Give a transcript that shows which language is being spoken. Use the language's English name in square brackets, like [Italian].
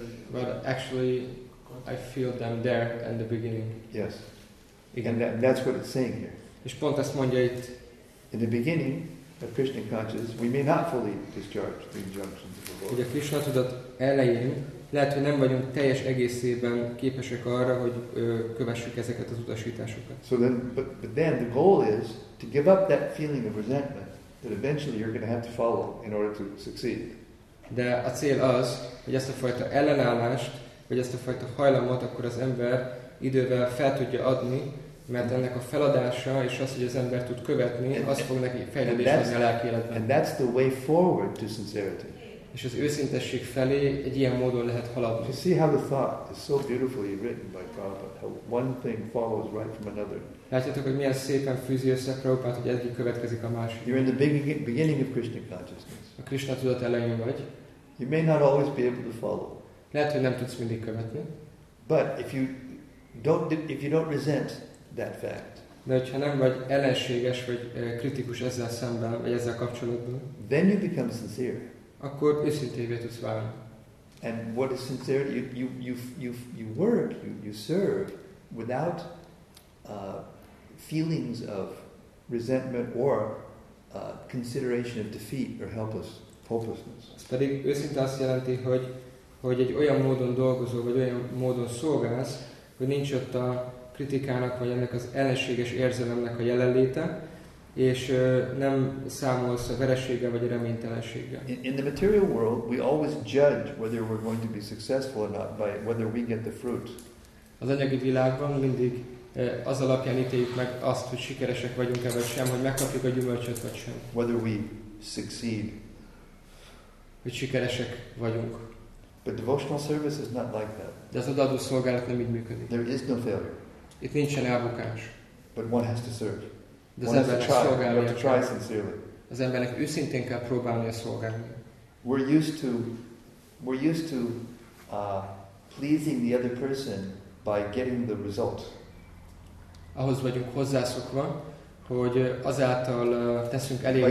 [English] But actually, I feel them there in the beginning. Yes. And that's what it's saying here. [Hungarian] És pont ezt mondja itt. [English] In the beginning of Krishna consciousness, we may not fully discharge the injunctions of the Lord. [Hungarian] Ugye Krishna tudat elején, lehet, hogy nem vagyunk teljes egészében képesek arra, hogy kövessük ezeket az utasításokat. [English] So then, but then the goal is to give up that feeling of resentment that eventually you're going to have to follow in order to succeed. [Hungarian] De a cél az, hogy ezt a fajta ellenállást, vagy ezt a fajta hajlamot akkor az ember idővel fel tudja adni, mert ennek a feladása és az, hogy az ember tud követni, az fog neki fejlődésben a lelki életben. [English] And that's the way forward to sincerity. [Hungarian] És az őszintesség felé egy ilyen módon lehet haladni. [English] You see how the thought is so beautifully written by Prabhupada, how one thing follows right from another. [Hungarian] Látjátok, hogy milyen szépen fűzi össze Prabhupada, hogy egyik következik a másik. [English] You're in the beginning of Krishna consciousness. [Hungarian] A Krishna tudat elején vagy. [English] You may not always be able to follow. [Hungarian] Lehet, hogy nem tudsz mindig követni. [English] But if you don't resent that fact. [Hungarian] De hogyha nem vagy ellenséges vagy kritikus ezzel szemben vagy ezzel kapcsolatban. [English] Then you become sincere. [Hungarian] Akkor őszintévé tudsz válni. [English] And what is sincerity? You work, you serve without feelings of resentment or consideration of defeat or hopelessness. [Hungarian] Ez pedig őszinte azt jelenti, hogy egy olyan módon dolgozol, vagy olyan módon szolgálsz, hogy nincs ott a kritikának, vagy ennek az ellenséges érzelemnek a jelenléte, és nem számolsz a veresége vagy a reménytelensége. [English] In the material world, we always judge whether we're going to be successful or not by whether we get the fruit. [Hungarian] Az anyagi világban mindig az alapján ítéljük meg azt, hogy sikeresek vagyunk-e vagy sem, hogy megkapjuk a gyümölcsöt vagy sem. [English] Whether we succeed. [Hungarian] Hogy sikeresek vagyunk. [English] But devotional service is not like that. [Hungarian] De az odaadó szolgálat nem így működik. [English] There is no failure. [Hungarian] Itt nincsen elbukás. [English] But one has to serve. [Hungarian] De az embernek szolgálni kell. [English] Try sincerely. [Hungarian] Az embernek őszintén kell próbálni a szolgálni. [English] We're used to pleasing the other person by getting the result. [Hungarian] Ahhoz vagyunk hozzászokva, hogy azáltal teszünk